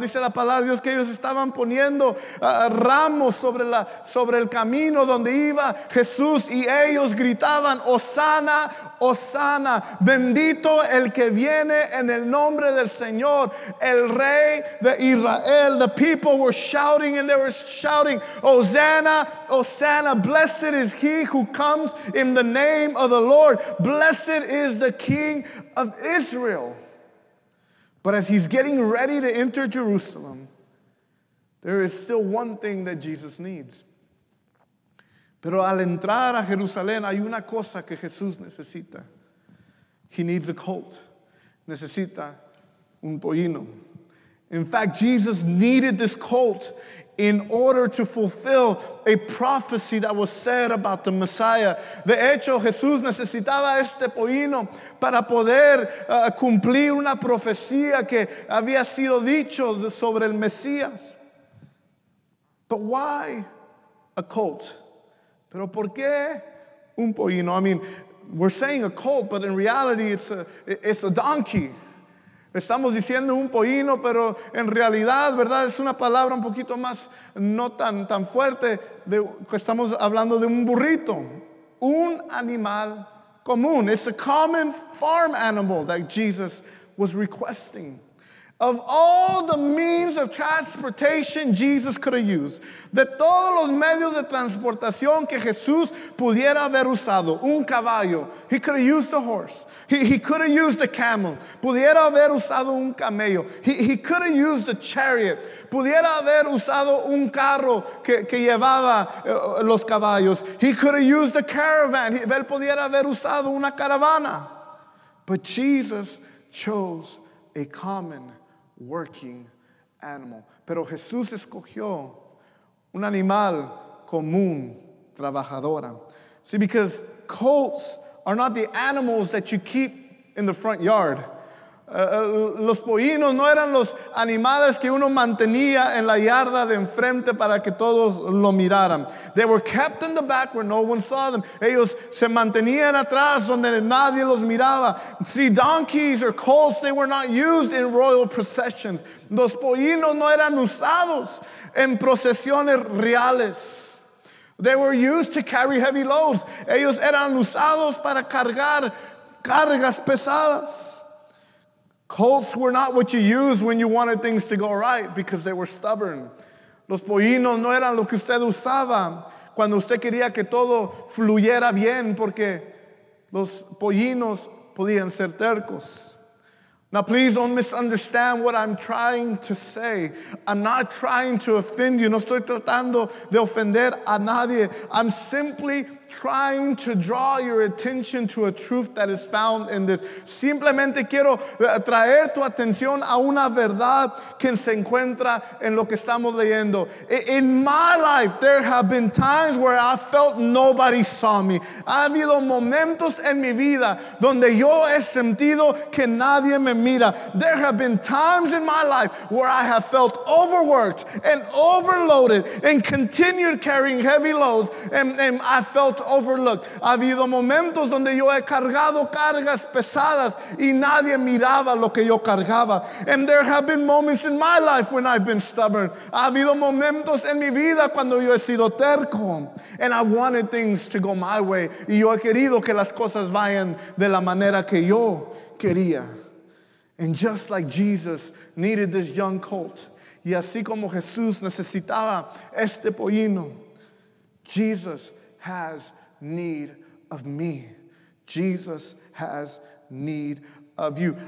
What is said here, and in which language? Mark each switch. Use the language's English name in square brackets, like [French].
[Spanish] Dice la palabra de Dios que ellos estaban poniendo ramos sobre el camino donde iba Jesús, y ellos gritaban, Hosanna, Hosanna, bendito el que viene en el nombre del Señor, el Rey de Israel. [English] The people were shouting and they were shouting, Hosanna, Hosanna, blessed is he who comes in the name of the Lord, blessed is the King of Israel. But as he's getting ready to enter Jerusalem, there is still one thing that Jesus needs. [Spanish] Pero al entrar a Jerusalén, hay una cosa que Jesús necesita. [English] He needs a colt. [Spanish] Necesita un pollino. [English] In fact, Jesus needed this colt in order to fulfill a prophecy that was said about the Messiah. [Spanish] De hecho, Jesús necesitaba este pollino para poder cumplir una profecía que había sido dicho sobre el Mesías. [English] But why a colt? [Spanish] Pero ¿por qué un pollino? [English] I mean, we're saying a colt, but in reality it's a donkey. [Spanish] Estamos diciendo un pollino, pero en realidad, ¿verdad? Es una palabra un poquito más, no tan fuerte. Estamos hablando de un burrito. Un animal común. [English] It's a common farm animal that Jesus was requesting. Of all the means of transportation Jesus could have used, [Spanish] de todos los medios de transportación que Jesús pudiera haber usado, un caballo, [English] he could have used a horse, he could have used a camel, [Spanish] pudiera haber usado un camello, [English] he could have used a chariot, [Spanish] pudiera haber usado un carro que llevaba los caballos, [English] he could have used a caravan, [Spanish] él pudiera haber usado una caravana, [English] but Jesus chose a common working animal. [Spanish] Pero Jesús escogió un animal común, trabajadora. [English] See, because colts are not the animals that you keep in the front yard. [Spanish] Los pollinos no eran los animales que uno mantenía en la yarda de enfrente para que todos lo miraran. [English] They were kept in the back where no one saw them. [Spanish] Ellos se mantenían atrás donde nadie los miraba. [English] See, donkeys or colts, they were not used in royal processions. [Spanish] Los pollinos no eran usados en procesiones reales. [English] They were used to carry heavy loads. [Spanish] Ellos eran usados para cargar cargas pesadas. [English] Colts were not what you use when you wanted things to go right because they were stubborn. [Spanish] Los pollinos no eran lo que usted usaba cuando usted quería que todo fluyera bien porque los pollinos podían ser tercos. [English] Now please don't misunderstand what I'm trying to say. I'm not trying to offend you. [Spanish] No estoy tratando de ofender a nadie. [English] I'm simply trying to draw your attention to a truth that is found in this. [Spanish] Simplemente quiero traer tu atención a una verdad que se encuentra en lo que estamos leyendo. [English] In my life, there have been times where I felt nobody saw me. [Spanish] Ha habido momentos en mi vida donde yo he sentido que nadie me mira. [English] There have been times in my life where I have felt overworked and overloaded and continued carrying heavy loads, and I felt overlooked. [Spanish] Ha habido momentos donde yo he cargado cargas pesadas y nadie miraba lo que yo cargaba. [English] And there have been moments in my life when I've been stubborn. [Spanish] Ha habido momentos en mi vida cuando yo he sido terco. [English] And I wanted things to go my way. [Spanish] Y yo he querido que las cosas vayan de la manera que yo quería. [English] And just like Jesus needed this young colt, [Spanish] y así como Jesús necesitaba este pollino, [English] Jesus has need of me. Jesus has need of you.